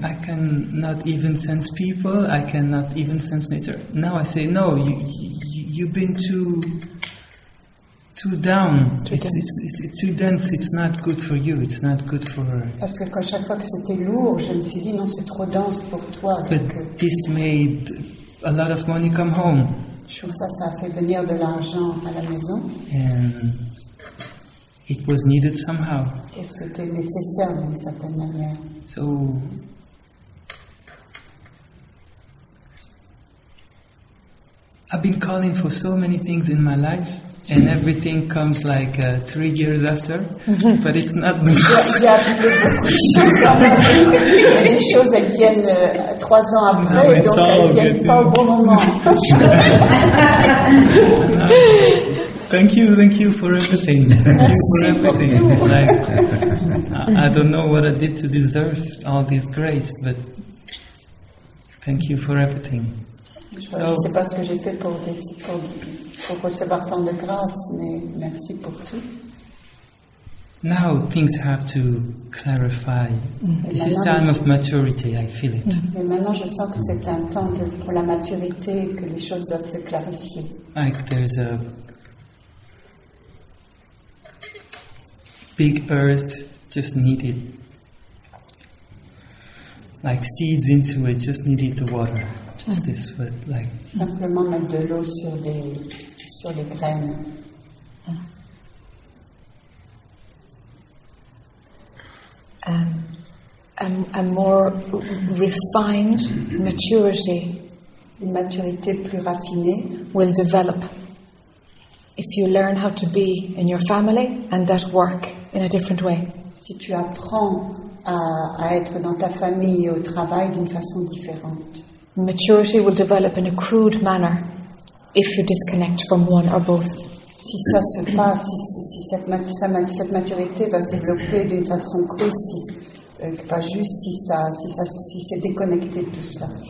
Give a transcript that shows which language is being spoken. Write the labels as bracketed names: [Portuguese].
[English] I can not even sense people. I cannot even sense nature. Now I say, no, you've been too down. It's too dense. It's not good for you. It's not good for her. [French] Parce que quand chaque fois que c'était lourd, je me suis dit non, c'est trop dense pour toi. [English] But this made a lot of money come home. [French] Ça a fait venir de l'argent à la maison. [English] And it was needed somehow. [French] Et c'était nécessaire d'une certaine manière. [English] So, I've been calling for so many things in my life, and everything comes like 3 years after, but it's not. [French] J'ai appelé beaucoup de choses dans ma vie, et les choses elles viennent 3 ans après, donc elles viennent pas au bon moment. [English] Thank you for everything. Thank you for everything. Like, I don't know what I did to deserve all this grace, but thank you for everything. [French] Je ne sais pas ce que j'ai fait pour recevoir tant de grâce, mais merci pour tout. [English] Now things have to clarify. This is time of maturity. I feel it. [French] Et maintenant, je sens que c'est un temps pour la maturité que les choses doivent se clarifier. [English] Like there's a big earth just needed, like seeds into it, just needed the water, just this, but like. [French] Simplement mettre de l'eau sur les graines. [English] A more refined maturity, [French] une maturité plus raffinée, [English] will develop if you learn how to be in your family and at work in a different way. [French] Si tu apprends à être dans ta famille et au travail d'une façon différente. [English] Maturity will develop in a crude manner if you disconnect from one or both. [French] si ça se passe, si cette maturité va se développer d'une façon creuse, si c'est déconnecté de tout cela.